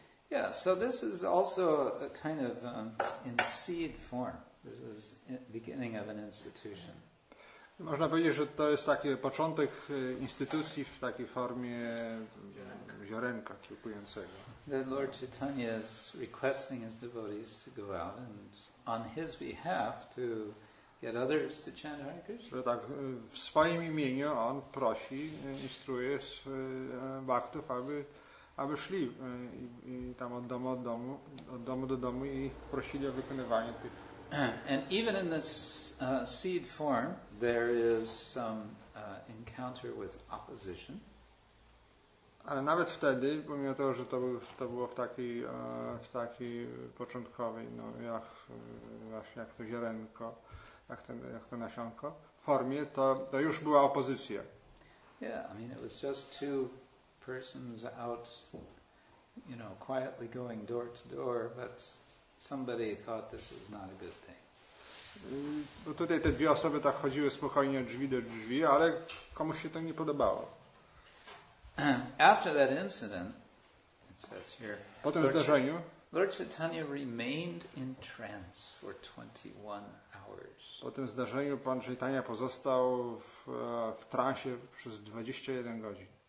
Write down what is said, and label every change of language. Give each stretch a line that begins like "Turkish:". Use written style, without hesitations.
English: Yeah, so this is also a kind of in seed form. This is the beginning of an institution.
Polish: Można powiedzieć, że to jest taki początek instytucji w takiej formie ziarenka kiełkującego.
English: That Lord Chaitanya is requesting his devotees to go out and on his behalf to get others to chant Hare Krishna.
Polish: Tak, w swoim imieniu on prosi, instruuje bhaktów, aby szli i tam od domu do domu i prosili o wykonywanie tych.
English: And even in this seed form, there is some encounter with opposition.
Polish: Ale nawet wtedy, pomimo tego, że to było w taki początkowej, no jak właśnie jak to ziarenko, jak to nasionko, w formie, to już była opozycja.
English: Yeah, I mean, it was just two persons out, you know, quietly going door to door, but somebody thought this was not a good thing.
Polish: Bo tutaj te dwie osoby tak chodziły spokojnie drzwi do drzwi, ale komuś się to nie podobało.
English: After that incident, it says here,
Polish: po tym zdarzeniu,
English: Lord Chaitanya remained in trance for 21 hours.
Polish: Po tym zdarzeniu pan Chaitanya pozostał w transie przez 21 godzin.